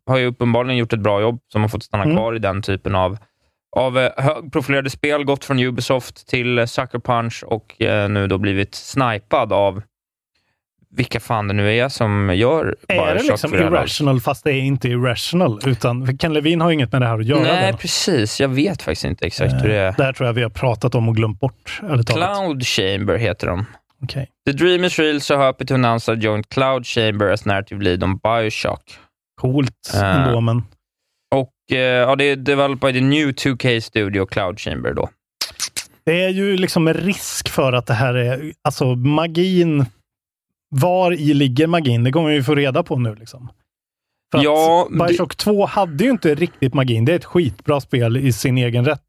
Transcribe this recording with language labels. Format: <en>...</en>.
<sv>Har ju uppenbarligen gjort ett bra jobb som har fått stanna kvar i den typen av högprofilerade spel, gått från Ubisoft till Sucker Punch och nu då blivit snipad av vilka fan det nu är som gör Bioshock. Är det liksom irrational fast det är inte irrational? Utan Ken Levine har inget med det här att göra. Nej, den. Precis. Jag vet faktiskt inte exakt hur det är. Det här tror jag vi har pratat om och glömt bort. Eller Cloud Chamber heter de. Okay.</sv> <en>The dream is real, so happy to announce that joined Cloud Chamber as narrative lead on Bioshock.</en> <sv>Coolt ändå, men... Och det är</sv> <en>developed by the new 2K studio Cloud Chamber då.</en> <sv>Det är ju liksom en risk för att det här är... Alltså, magin... Var i ligger magin? Det kommer vi få reda på nu liksom. För ja, att Bioshock 2 hade ju inte riktigt magin. Det är ett skitbra spel i sin egen rätt.</sv>